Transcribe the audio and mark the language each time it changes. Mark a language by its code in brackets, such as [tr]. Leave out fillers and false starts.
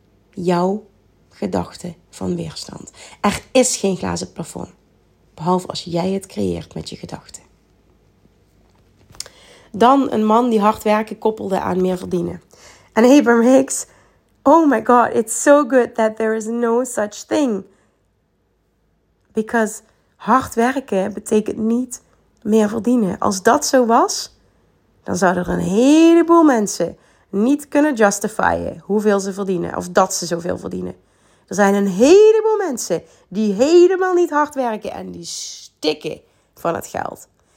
[nl] Jouw gedachte van weerstand. Er is geen glazen plafond. Behalve als jij het creëert met je gedachten. Dan een man die hard werken koppelde aan meer verdienen. [en] En Abraham Hicks, oh my god, it's so good that there is no such thing. [nl] Because hard werken betekent niet meer verdienen. Als dat zo was, dan zouden er een heleboel mensen niet kunnen justifyen hoeveel ze verdienen. Of dat ze zoveel verdienen. Er zijn een heleboel mensen die helemaal niet hard werken en die stikken van het geld.